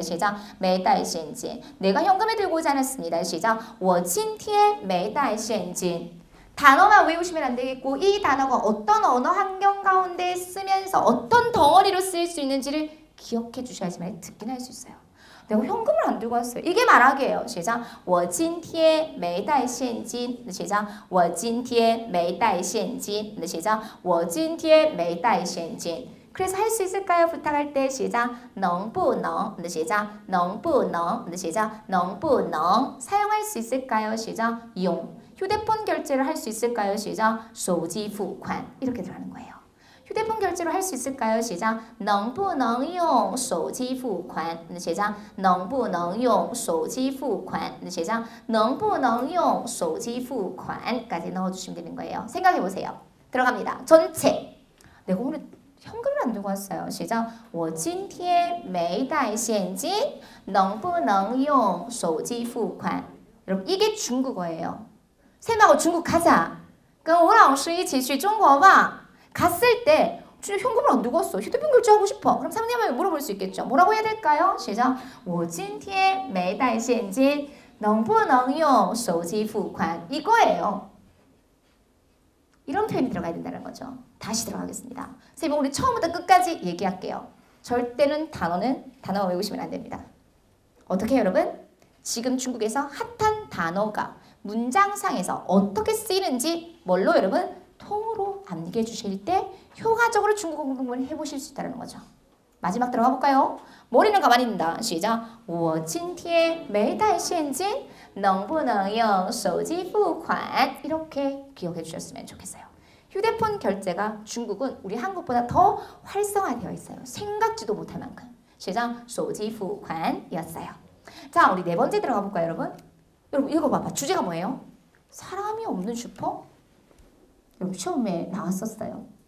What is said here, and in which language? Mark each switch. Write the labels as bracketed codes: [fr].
[ko] 시작 [zh] 没带现金 [ko] 내가 현금을 들고 오지 않았습니다. 시작 [zh] 我今天没带现金 [ko] 단어만 외우시면 안 되겠고 이 단어가 어떤 언어 환경 가운데 쓰면서 어떤 덩어리로 쓰일 수 있는지를 기억해 주셔야지만 듣긴 할 수 있어요. 내가 현금을 안 들고 왔어요. 이게 말하기예요. [zh] 시작 我今天没带现金 시작 我今天没带现金 시작 我今天没带现金 [ko] 그래서 할 수 있을까요? 부탁할 때 시작 能不能 시작 能不能 시작 能不能 사용할 수 있을까요? 시작 용 휴대폰 결제를 할 수 있을까요? 시작 手机付款 이렇게 들어가는 거예요. 휴대폰 결제로 할 수 있을까요? [zh] 시작 能不能用手机付款 시작 能不能用手机付款 시작 能不能用手机付款 [ko] 까지 넣어주시면 되는 거예요. 생각해보세요. 들어갑니다. 전체 내가 오늘 현금을 안 들고 왔어요. [zh] 시작 我今天没带现金 能不能用手机付款 [ko] 여러분 이게 중국어예요. 쌤하고 중국 가자. 그럼 오랑씨 [zh] 一起去中国吧 [ko] 갔을 때 현금을 안 들고 왔어. 휴대폰 결제하고 싶어. 그럼 상대방이 물어볼 수 있겠죠. 뭐라고 해야 될까요? [zh] 시작 我今天没带现金 能不能用手机付款 이거예요. [ko] 이런 표현이 들어가야 된다는 거죠. 다시 들어가겠습니다. 선생님 우리 처음부터 끝까지 얘기할게요. 절대는 단어는 단어 외우시면 안 됩니다. 어떻게 해요, 여러분? 지금 중국에서 핫한 단어가 문장상에서 어떻게 쓰이는지 뭘로 여러분? 통으로 암기해 주실 때 효과적으로 중국어 공부를 해보실 수 있다는 거죠. 마지막 들어가 볼까요? 머리는 가만히 있는다. [zh] 시작 我今天没带现金 能不能用手机付款 [ko] 이렇게 기억해 주셨으면 좋겠어요. 휴대폰 결제가 중국은 우리 한국보다 더 활성화되어 있어요. 생각지도 못할 만큼. 시작 手机付款 이었어요. 자, 우리 네 번째 들어가 볼까요, 여러분? 여러분 읽어봐봐. 주제가 뭐예요? 사람이 없는 슈퍼? 여러분 시험에 나왔었어요.